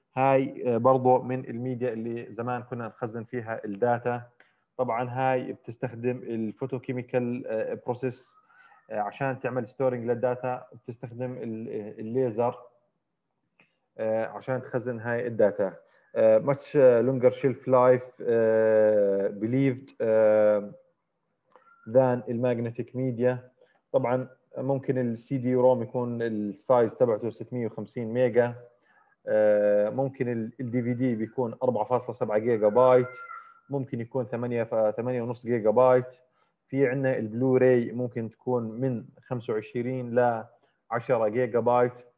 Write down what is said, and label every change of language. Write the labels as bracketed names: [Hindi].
[Arabic] هاي برضو من الميديا اللي زمان كنا نخزن فيها الداتا. طبعا هاي بتستخدم الفوتوكيميكال بروسيس عشان تعمل ستورينج للداتا، بتستخدم الليزر عشان تخزن هاي الداتا. [English] Much longer shelf life believed than the magnetic media. [Arabic] طبعا ممكن السي دي روم يكون السايز تبعته 650 ميجا، ممكن الدي في دي بيكون 4.7 جيجا بايت، ممكن يكون 8.5 جيجا بايت. في عندنا البلو راي ممكن تكون من 25 ل 10 جيجا بايت.